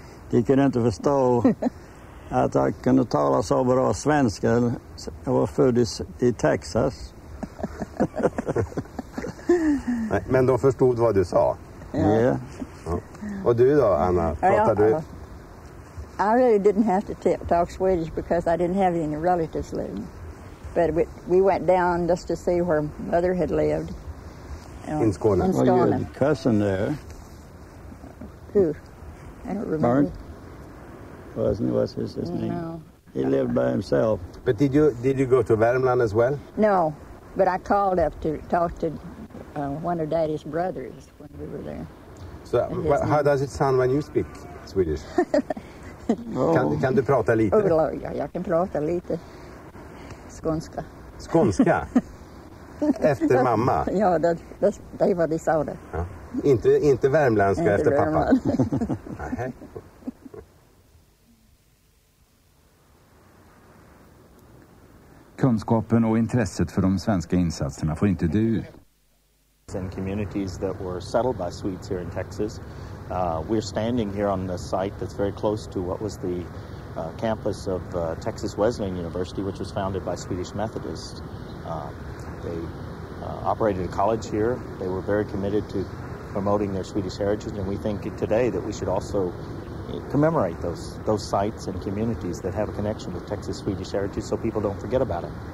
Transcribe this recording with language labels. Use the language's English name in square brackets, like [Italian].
[Swedish] De kunde inte förstå att jag kunde tala så bra svenska. Jag var född i Texas. Nej, men de förstod vad du sa. Ja. Ja. Och du då, Anna? Pratade du? [English] I really didn't have to talk Swedish because I didn't have any relatives living. But we went down just to see where mother had lived. In Skåne. Well, you had a cousin there. Who? I don't remember. Bernd? What's his name? No. He lived by himself. But did you go to Värmland as well? No, but I called up to talk to one of Daddy's brothers when we were there. So how does it sound when you speak Swedish? [Swedish] Kan du prata lite? Oh, jag kan prata lite. Skånska. Skånska? Efter mamma? Ja, det var det sa det. Ja. Inte värmländska efter Värmland. Pappa. Kunskapen och intresset för de svenska insatserna får inte dö ut. [English] And communities that were settled by Swedes here in Texas. We're standing here on the site that's very close to what was the campus of Texas Wesleyan University, which was founded by Swedish Methodists. They operated a college here. They were very committed to promoting their Swedish heritage, and we think today that we should also commemorate those sites and communities that have a connection with Texas Swedish heritage so people don't forget about it.